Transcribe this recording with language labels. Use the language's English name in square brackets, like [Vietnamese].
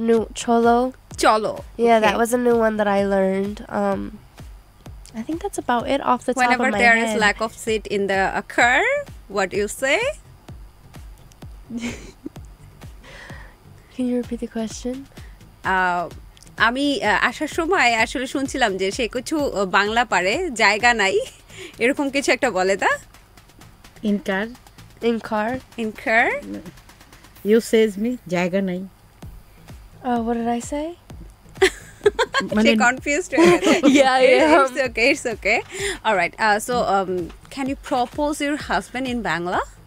[English] New cholo. [Bangla] Cholo. [English] Yeah, okay. That was a new one that I learned. I think that's about it off the top Whenever of my head. Whenever there is lack of seat in the car, what do you say? Can you repeat the question? [Bangla] আমি আসার সময় আসলে শুনছিলাম যে সে কিছু বাংলা পারে, জায়গা নাই এরকম কিছু একটা বলে তা? [English] In car. You says me, [Bangla] জায়গা নাই. [English] What did I say? She confused. Yeah. It's okay. All right. So, can you propose your husband in Bangla?